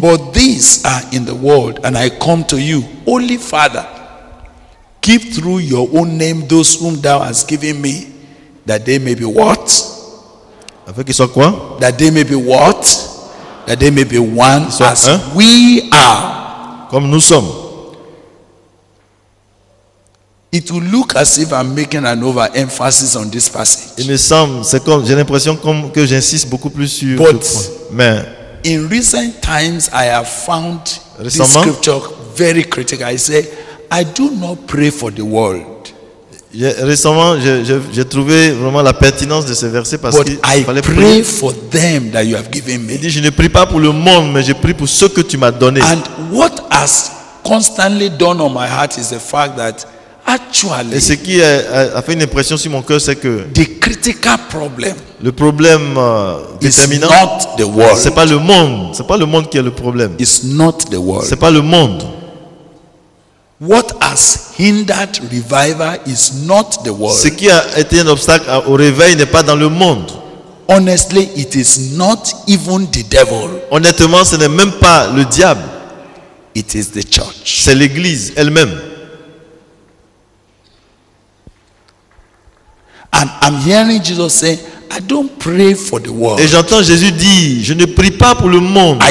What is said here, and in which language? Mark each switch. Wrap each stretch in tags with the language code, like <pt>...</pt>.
<en>But these are in the world, and I come to you. Holy Father, keep through your own name those whom thou hast given me, that they may be what?</en> <fr>Afin qu'ils soient quoi?</fr> <en>That they may be what? That they may be one as</en> <fr>un?</fr> <en>We are.</en> <fr>Comme nous sommes.</fr> <en>It will look as if I'm making an over emphasis on this passage.</en> <fr>Il me semble, c'est comme, j'ai l'impression comme que j'insiste beaucoup plus sur</fr> <en>but</en> <fr>ce point. Mais</fr> <en>in recent times, I have found</en> <fr>récemment,</fr> <en>this scripture very critical. I say, I do not pray for the world.</en> <fr>Récemment, j'ai trouvé vraiment la pertinence de ce verset parce qu'il fallait prier.</fr> <en>For them that you have given me.</en> <fr>Il dit, je ne prie pas pour le monde, mais je prie pour ceux que tu m'as donné.</fr> <en>And what has constantly dawned on my heart is the fact that actually.</en> <fr>Et ce qui a fait une impression sur mon cœur, c'est que</fr> <en>the critical problem.</en> <fr>Le problème déterminant.</fr> <en>Not the world.</en> <fr>C'est pas le monde. C'est pas le monde qui est le problème.</fr> <en>It's not the world.</en> <fr>C'est pas le monde.</fr> <en>What has hindered revival is not the world.</en> <fr>Ce qui a été un obstacle au réveil n'est pas dans le monde.</fr> <en>Honestly, it is not even the devil.</en> <fr>Honnêtement, ce n'est même pas le diable.</fr> <en>It is the church.</en> <fr>C'est l'église elle-même.</fr> <en>And I'm hearing Jesus say, I don't pray for the world.</en> <fr>Et j'entends Jésus dire, je ne prie pas pour le monde.</fr>